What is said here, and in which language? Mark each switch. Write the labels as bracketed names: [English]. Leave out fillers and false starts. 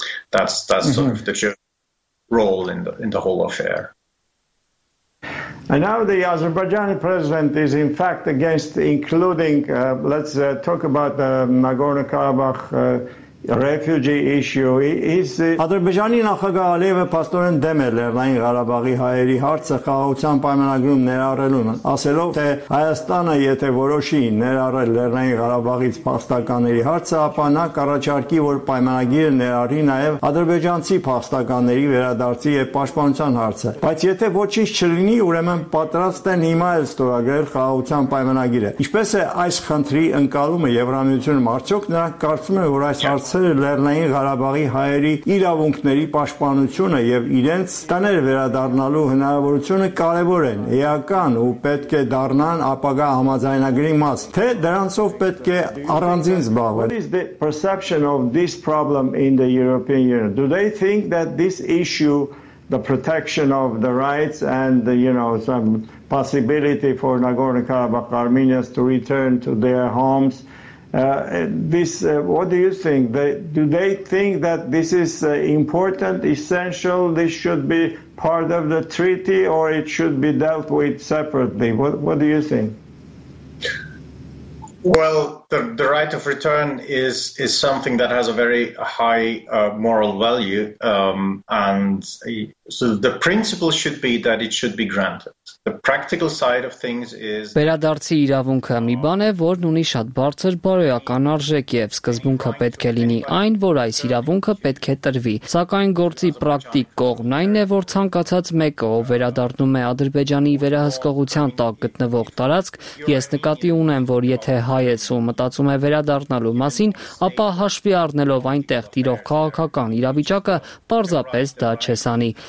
[English] That's sort of the role in the whole affair. And now the Azerbaijani president is in fact against including, let's talk about the Nagorno-Karabakh refugee issue. Is [Armenian] Azerbaijani նախագահ Ալիևը պաստորեն դեմ է Լեռնային Ղարաբաղի հայերի հարցը խաղաղության պայմանագրում ներառելուն, ասելով թե Հայաստանը եթե որոշի ներառել Լեռնային Ղարաբաղից փախստականների հարցը, ապա նա կառաջարկի, որ պայմանագիրը ներառի նաև ադրբեջանցի փախստականների վերադարձի եւ պաշտպանության հարցը, բայց եթե ոչինչ չլինի, ուրեմն պատրաստ են հիմա էլ ստորագրել խաղաղության պայմանագիրը։ Ինչպես է այս խնդրի ընկալումը Եվրամիությունում, արդյոք նրանք կարծում են, որ այս հարցերը Լեռնային Ղարաբաղի հայերի իրավունքների պաշտպանությունը եւ իրենց տները վերադառնալու հնարավորությունը կարեւոր են, էական ու պետք է դառնան ապագա համաձայնագրի մաս, թե դրանցով պետք է առանձին զբաղվել։ [English] What is the perception of this problem in the European Union? Do they think that this issue, the protection of the rights and the, you know, some possibility for Nagorno-Karabakh Armenians to return to their homes, this what do you think? Do they think that this is important, essential, this should be part of the treaty, or it should be dealt with separately? What do you think? Well, the right of return is something that has a very high moral value, and so the principle should be that it should be granted. The practical side of things is [Armenian] Վերադարձի իրավունքը մի բան է, որն ունի շատ բարձր բարոյական արժեք եւ սկզբունքը պետք է լինի այն, որ այս իրավունքը պետք է տրվի։ Սակայն գործի պրակտիկ կողմն այն է, որ ցանկացած մեկը, ով վերադառնում է Ադրբեջանի վերահսկողության տակ գտնվող տարածք, ես նկատի ունեմ, որ եթե հայեցը մտածում է վերադառնալու մասին, ապա հաշվի առնելով այնտեղ տիրող քաղաքական իրավիճակը, պարզապես դա չեսանի։